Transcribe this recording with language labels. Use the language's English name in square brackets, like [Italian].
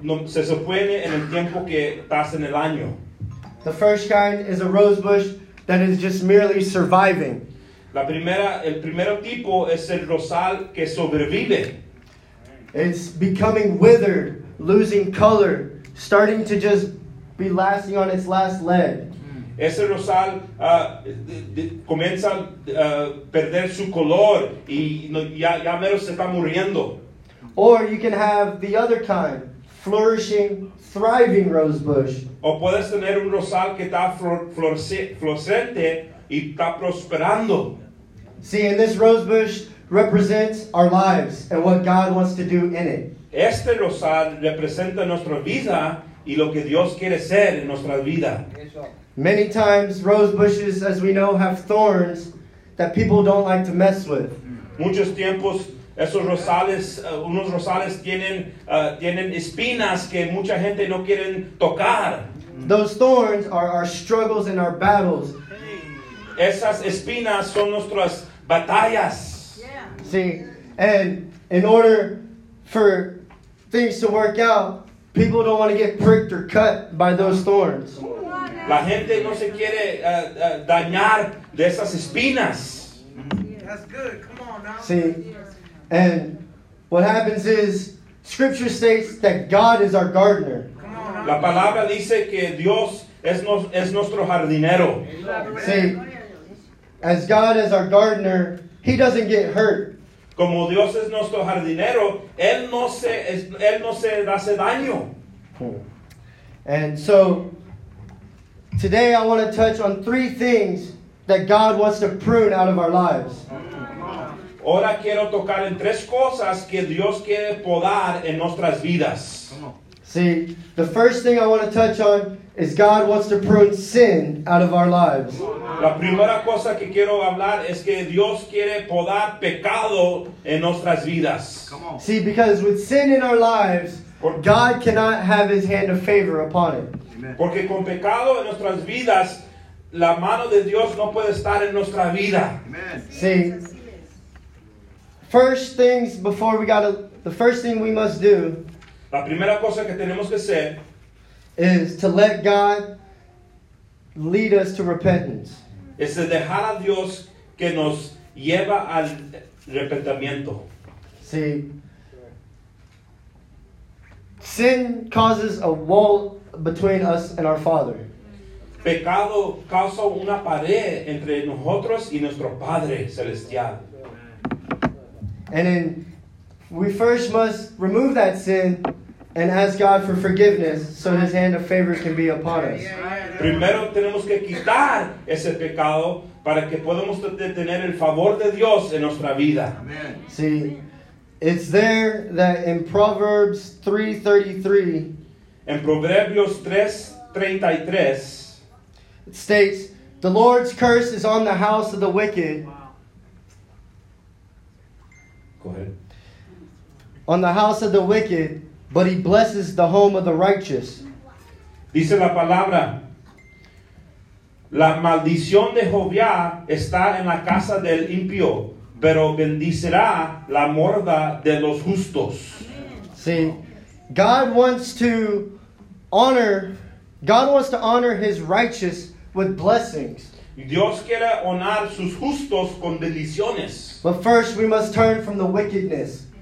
[Spanish] Se supone en el tiempo que estás en el año. [English] The first kind is a rose bush that is just merely surviving. [Spanish] La primera, el primero tipo es el rosal que sobrevive. [English] It's becoming withered, losing color, starting to just be lasting on its last leg. [Spanish] Ese rosal comienza a perder su color y ya menos se está muriendo. [English] Or you can have the other kind, flourishing, thriving rosebush. [Spanish] O puedes tener un rosal que está florecente y está prosperando. [English] See, and this rosebush represents our lives and what God wants to do in it. [Spanish] Este rosal representa nuestra vida y lo que Dios quiere ser en nuestra vida. [English] Many times, rosebushes, as we know, have thorns that people don't like to mess with. [Spanish] Muchos tiempos, esos rosales, unos rosales tienen espinas que mucha gente no quieren tocar. [English] Those thorns are our struggles and our battles. [Spanish] Esas espinas son nuestras batallas. [English] Yeah. See, and in order for things to work out, people don't want to get pricked or cut by those thorns. [Spanish] La gente no se quiere dañar de esas espinas. [English] That's good. Come on now. See, and what happens is, Scripture states that God is our gardener. [Spanish] La palabra dice que Dios es nuestro jardinero. [English] See, as God is our gardener, He doesn't get hurt. [Spanish] Como Dios es nuestro jardinero, él no se hace daño. [English] And so, today I want to touch on three things that God wants to prune out of our lives. [Spanish] Ahora quiero tocar en tres cosas que Dios quiere podar en nuestras vidas. [English] See, the first thing I want to touch on is God wants to prune sin out of our lives. [Spanish] La primera cosa que quiero hablar es que Dios quiere podar pecado en nuestras vidas. [English] See, because with sin in our lives, God cannot have His hand of favor upon it. [Spanish] Porque con pecado en nuestras vidas, la mano de Dios no puede estar en nuestra vida. [English] Amen. See, first things before we gotta, the first thing we must do, [Spanish] la primera cosa que tenemos que hacer, [English] is to let God lead us to repentance. [Spanish] Es de dejar a Dios que nos lleva al arrepentimiento. [English] See, sin causes a wall between us and our Father. [Spanish] Pecado causa una pared entre nosotros y nuestro Padre Celestial. [English] And then we first must remove that sin and ask God for forgiveness so His hand of favor can be upon us. [Spanish] Primero tenemos que quitar ese pecado para que podamos tener el favor de Dios en nuestra vida. [English] Amen. See, it's there that in Proverbs 3:33, [Spanish] en Proverbios 3:33, [English] it states, "The Lord's curse is on the house of the wicked." Go ahead. On the house of the wicked, but He blesses the home of the righteous. [Spanish] Dice la palabra, la maldición de Jehová está en la casa del impío, pero bendicerá la morada de los justos. [English] See, God wants to honor His righteous with blessings. [Spanish] Dios quiere honrar sus justos con bendiciones. [English] But first we must turn from the wickedness.